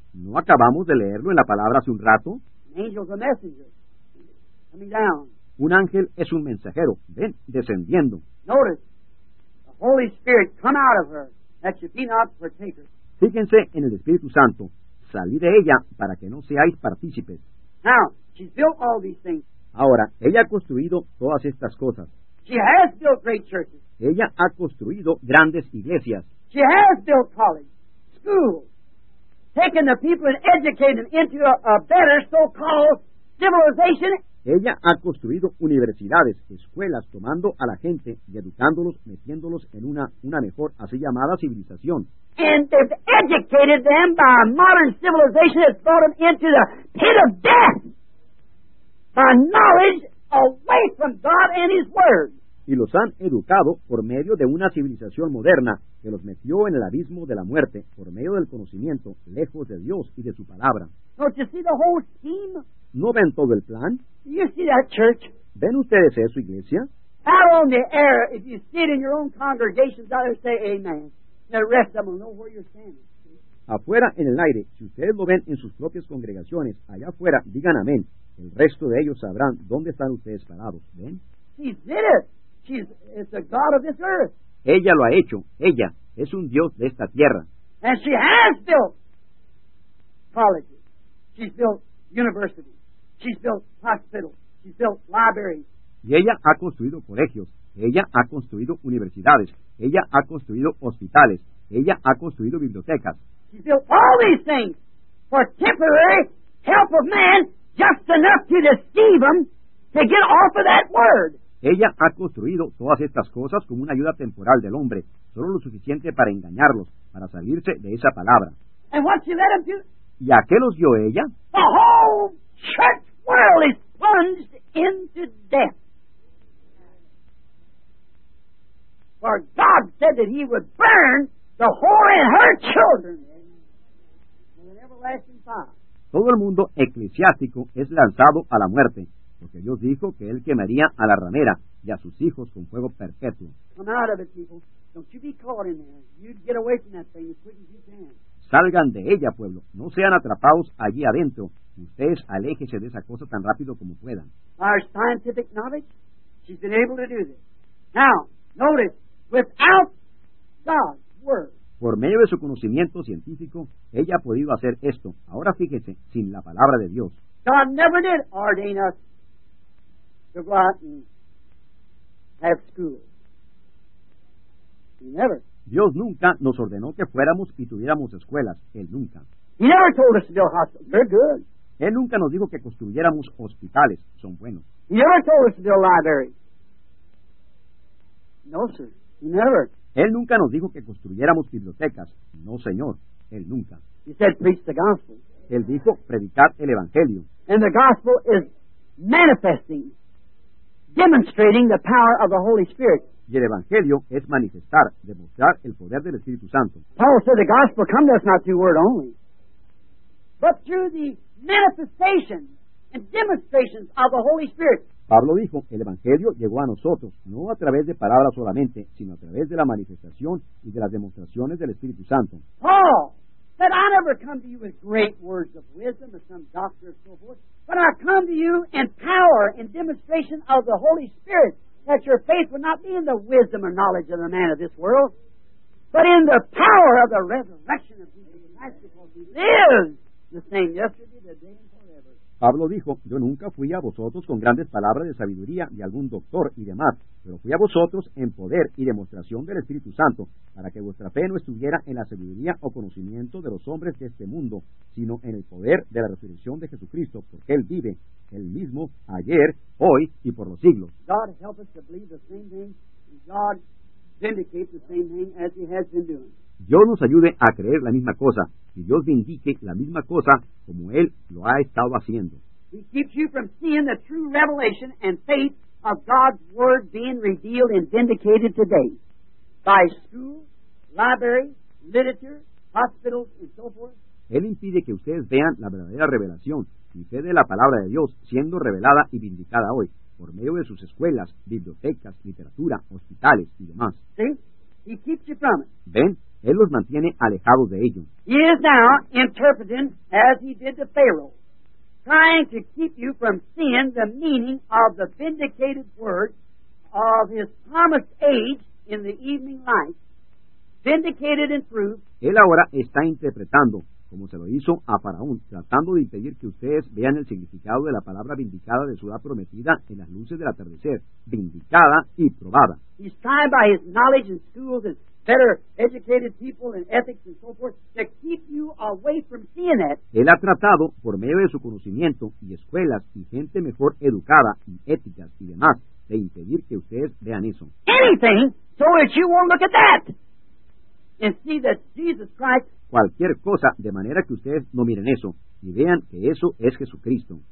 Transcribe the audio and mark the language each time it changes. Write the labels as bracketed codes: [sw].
[es] ¿No acabamos de leerlo en la palabra hace un rato? [en] An angel's a messenger. Coming down. [es] Un ángel es un mensajero. Ven, descendiendo. [en] Notice. Holy Spirit, come out of her, that you be not partakers. [es] Fíjense en el Espíritu Santo. Salid de ella para que no seáis partícipes. [en] Now, she's built all these things. [es] Ahora, ella ha construido todas estas cosas. [en] She has built great churches. [es] Ella ha construido grandes iglesias. [en] She has built colleges, schools, taking the people and educating them into a better so-called civilization. [es] Ella ha construido universidades, escuelas, tomando a la gente y educándolos, metiéndolos en una mejor, así llamada, civilización. [en] And they've educated them by a modern civilization that's brought them into the pit of death by knowledge away from God and His Word. [es] y los han educado por medio de una civilización moderna que los metió en el abismo de la muerte por medio del conocimiento lejos de Dios y de su palabra. [en] Don't you see the whole scheme? [es] ¿No ven todo el plan? [en] You see that church? [es] ¿Ven ustedes eso, iglesia? [en] Out on the air, if you sit in your own congregations, I'll say amen. The rest of them will know where you're standing. [es] Afuera, en el aire, si ustedes lo ven en sus propias congregaciones, allá afuera, digan amén. El resto de ellos sabrán dónde están ustedes parados. ¿Ven? [en] She did it. It's the God of this earth. [es] Ella lo ha hecho. Ella es un Dios de esta tierra. [en] And she has built colleges. She's built universities. She's built hospitals. She's built libraries. [es] Y ella ha construido colegios. Ella ha construido universidades. Ella ha construido hospitales. Ella ha construido bibliotecas. [en] She built all these things for temporary help of man, just enough to deceive them to get off of that word. [es] Ella ha construido todas estas cosas como una ayuda temporal del hombre, solo lo suficiente para engañarlos, para salirse de esa palabra. [en] And what she led them to? [es] ¿Y a qué los dio ella? [en] The whole church world is plunged into death. For God said that he would burn the whore and her children with an everlasting fire. [es] Todo el mundo eclesiástico es lanzado a la muerte, porque Dios dijo que él quemaría a la ramera y a sus hijos con fuego perpetuo. [en] Come out of it, people. Don't you be caught in there. You'd get away from that thing as quick as you can. [es] Salgan de ella, pueblo. No sean atrapados allí adentro. Ustedes aléjense de esa cosa tan rápido como puedan. [en] Our scientific knowledge, she's been able to do this. Now, notice, without God's word. [es] Por medio de su conocimiento científico, ella ha podido hacer esto. Ahora fíjese, sin la palabra de Dios. [en] God never did ordain us to go out and have school. He never. [es] Dios nunca nos ordenó que fuéramos y tuviéramos escuelas. Él nunca. [en] He never told us to build hospitals. They're good. [es] Él nunca nos dijo que construyéramos hospitales. Son buenos. [en] He never told us to build libraries. No, sir. He never. [es] Él nunca nos dijo que construyéramos bibliotecas. No, señor. Él nunca. [en] He said, preach the gospel. [es] Él dijo, predicar el evangelio. [en] And the gospel is manifesting, demonstrating the power of the Holy Spirit. [es] Y el evangelio es manifestar, demostrar el poder del Espíritu Santo. [en] Paul said, the gospel comes to us not through word only, but through the manifestation and demonstrations of the Holy Spirit. [es] Pablo dijo, el Evangelio llegó a nosotros, no a través de palabras solamente, sino a través de la manifestación y de las demostraciones del Espíritu Santo. [en] Paul said, I never come to you with great words of wisdom or some doctor or so forth, but I come to you in power and demonstration of the Holy Spirit, that your faith would not be in the wisdom or knowledge of the man of this world, but in the power of the resurrection of Jesus Christ, because he lives the same yesterday, today, and forever. [es] Pablo dijo, yo nunca fui a vosotros con grandes palabras de sabiduría de algún doctor y demás, pero fui a vosotros en poder y demostración del Espíritu Santo, para que vuestra fe no estuviera en la sabiduría o conocimiento de los hombres de este mundo, sino en el poder de la resurrección de Jesucristo, porque Él vive, el mismo, ayer, hoy y por los siglos. [en] God help us to believe the same thing, and God vindicate the same thing as He has been doing. [es] Dios nos ayude a creer la misma cosa, y Dios vindique la misma cosa como Él lo ha estado haciendo. [en] He keeps you from seeing the true revelation and faith of God's Word being revealed and vindicated today by school, library, literature, hospitals, and so forth. [es] Él impide que ustedes vean la verdadera revelación y fe de la palabra de Dios siendo revelada y vindicada hoy por medio de sus escuelas, bibliotecas, literatura, hospitales y demás. [en] See? He keeps you from it. [es] ¿Ven? Él los mantiene alejados de ello. [en] He is now interpreting as he did to Pharaoh, trying to keep you from seeing the meaning of the vindicated word of his promised age in the evening light, vindicated and proved. [es] Él ahora está interpretando, como se lo hizo a Faraón, tratando de impedir que ustedes vean el significado de la palabra vindicada de su edad prometida en las luces del atardecer, vindicada y probada. [en] He's trying by his knowledge and schools and better educated people and ethics and so forth to keep you away from seeing it. [es] Él ha tratado, por medio de su conocimiento y escuelas y gente mejor educada y éticas y demás, de impedir que ustedes vean eso. [en] Anything so that you won't look at that and see that Jesus Christ. [es] Cualquier cosa, de manera que ustedes no miren eso y vean que eso es Jesucristo.